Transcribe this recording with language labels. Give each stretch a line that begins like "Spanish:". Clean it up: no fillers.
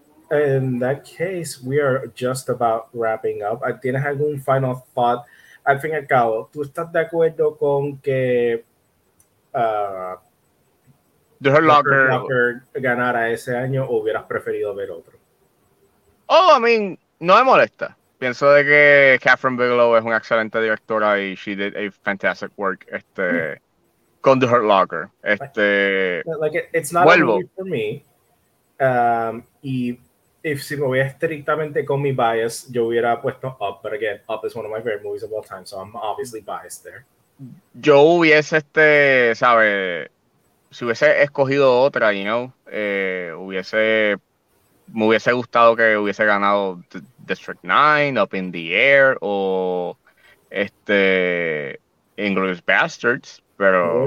English: In that case, we are just about wrapping up.
Spanish: ¿Tienes algún
English: final thought?
Spanish: Al fin y al cabo, ¿tú estás de acuerdo con que
English: The Hurt Locker
Spanish: ganara ese año o hubieras preferido ver otro?
English: Oh, I mean,
Spanish: no me molesta. Pienso de que Catherine Bigelow es una excelente directora y
English: she did a fantastic work
Spanish: con The Hurt Locker.
English: It's not
Spanish: vuelvo.
English: A movie for me.
Spanish: Y
English: if
Spanish: si me voy estrictamente con mi bias, yo hubiera puesto Up.
English: But again, Up is one of my favorite movies of all time, so I'm obviously biased there.
Spanish: Yo hubiese, si hubiese escogido otra,
English: you know,
Spanish: me hubiese gustado que hubiese ganado District 9, Up in the Air, o Inglourious Basterds, pero...